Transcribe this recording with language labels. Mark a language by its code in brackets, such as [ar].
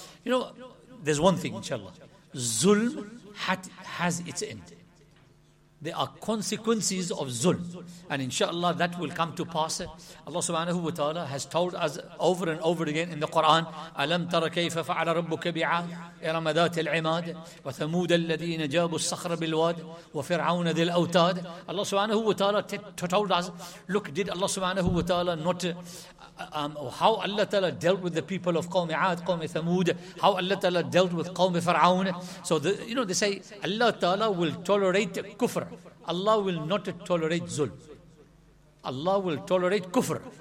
[en] You know, there's one thing, inshallah. Zulm has its end. There are consequences of zulm. And inshallah, that will come to pass. Allah subhanahu wa ta'ala has told us over and over again in the Quran, [ar] أَلَمْ تَرَ كَيْفَ فَعَلَ رَبُّكَ بِعَادٍ إِرَمَ ذَاتِ الْعِمَادِ وَثَمُودَ الَّذِينَ جَابُوا الصَّخْرَ بِالْوَادِ وَفِرْعَوْنَ ذِي الْأَوْتَادِ. [en] Allah subhanahu wa ta'ala told us, look, did Allah subhanahu wa ta'ala not... how Allah Ta'ala dealt with the people of Qawm Aad, Qawm Thamud, how Allah Ta'ala dealt with Qawm Fir'aun. So, you know, they say, Allah Ta'ala will tolerate kufr. Allah will not tolerate zulm. Allah will tolerate kufr.